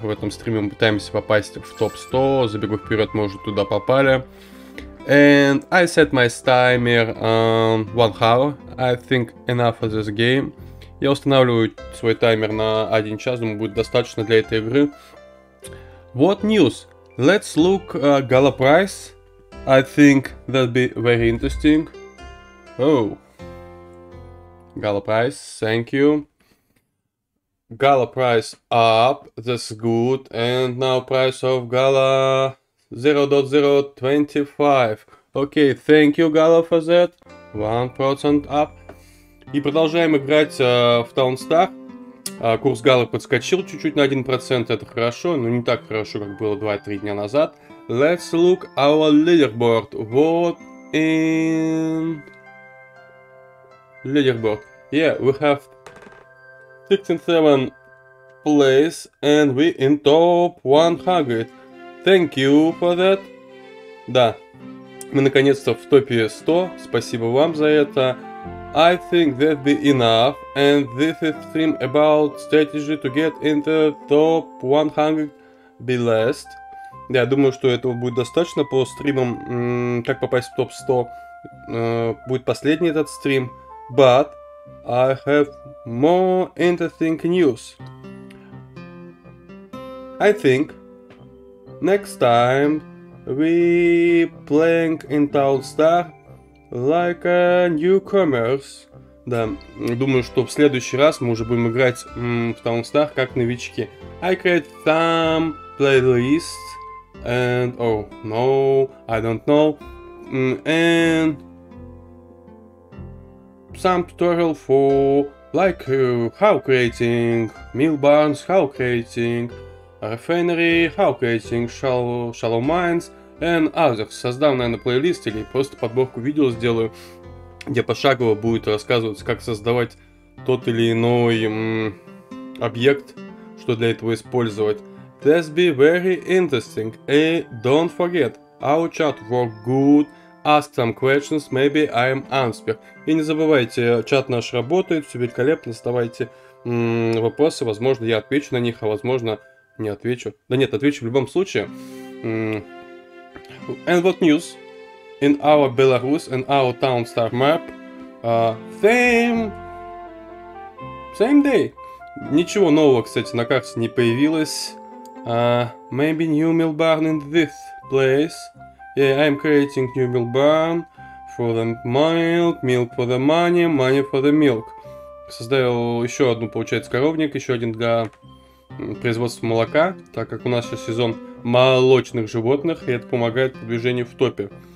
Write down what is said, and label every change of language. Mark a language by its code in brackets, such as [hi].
[ru] В этом стриме мы пытаемся попасть в топ 100, забегу вперед, мы уже туда попали. [en] And I set my timer on 1 hour, I think enough of this game. [ru] Я устанавливаю свой таймер на 1 час, думаю, будет достаточно для этой игры. [en] What news? Let's look at Gala price. I think that'd be very interesting. Oh. Gala price, thank you. Gala price up, that's good. And now price of Gala 0.025. Okay, thank you Gala for that. 1% up. [ru] И продолжаем играть в TownStar. Курс Галы подскочил чуть-чуть на 1%, это хорошо, но не так хорошо, как было 2-3 дня назад. [en] Let's look our leaderboard. What in... Leaderboard. Yeah, we have 15-7 place and we in top 100. Thank you for that. [ru] Да, мы наконец-то в топе 100, спасибо вам за это. [en] I think that'd be enough, and this is stream about strategy to get in the top 100 be last. [ru] Я думаю, что этого будет достаточно по стримам, как попасть в топ 100. Будет последний этот стрим. [en] But I have more interesting news. I think next time we playing in TownStar like a newcomers. [ru] Да, думаю, что в следующий раз мы уже будем играть в TownStar как новички. [en] I create some playlist and... Oh, no, I don't know. And... Some tutorial for... Like, how creating meal barns, how creating refinery, how creating shallow mines. And others. [ru] Создам, наверное, плейлист или просто подборку видео сделаю, где пошагово будет рассказываться, как создавать тот или иной объект, что для этого использовать. [en] That'd be very interesting. And don't forget, our chat work good. Ask some questions, maybe I'm answer. [ru] И не забывайте, чат наш работает, все великолепно. Задавайте вопросы, возможно, я отвечу на них, а возможно, не отвечу. Да нет, отвечу в любом случае. [en] And what news in our Belarus and our TownStar map? Same day. [ru] Ничего нового, кстати, на карте не появилось. [en] Maybe new mill barn in this place. Yeah, I'm creating new mill barn for the milk, milk for the money, money for the milk. [ru] Создаю еще одну, получается, коровник, еще один для производства молока, так как у нас сейчас сезон молочных животных, и это помогает продвижению в топе.